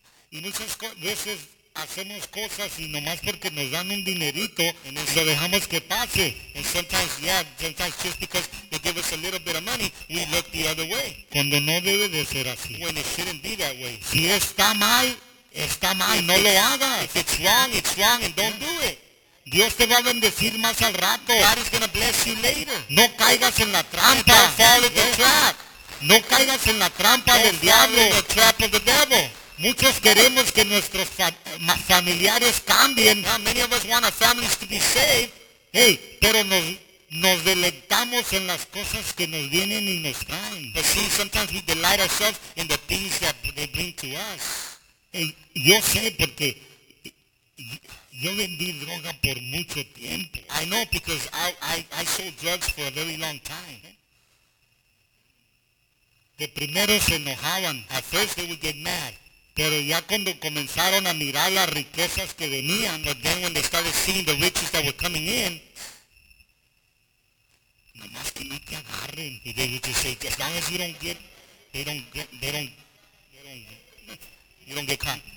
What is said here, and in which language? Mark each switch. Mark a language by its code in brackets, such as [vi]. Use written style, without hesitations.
[es] Y muchas veces hacemos cosas y nomás porque nos dan un dinerito y lo dejamos que pase. [en] And sometimes, sometimes just because they give us a little bit of money, we look the other way. [es] Cuando no debe de ser así. [en] When it shouldn't be that way. [es] Si está mal, está mal. Y no lo haga. [en] If it's wrong, it's wrong, and don't do it. [es] Dios te va a bendecir más al rato. [en] God is going to bless you later. [es] No caigas en la trampa. [en] Don't fall into the trap. [es] No caigas en la trampa del diablo. [en] Don't fall into the trap of the devil. [es] Muchos queremos que nuestros familiares cambien. [en] Now, many of us want our families to be saved. [es] Hey, pero nos deleitamos en las cosas que nos vienen y nos traen. [en] But see, sometimes we delight ourselves in the things that they bring to us. [es] Hey, yo sé porque... Yo vendí droga por mucho tiempo. [en] I know because I sold drugs for a very long time. [es] De primero se enojaban. [en] At first they would get mad. [es] Pero ya cuando comenzaron a mirar las riquezas que venían, [en] but then when they started seeing the riches that were coming in, [es] nomás que no te agarren. [en] Y they would just say, as long as you don't get caught.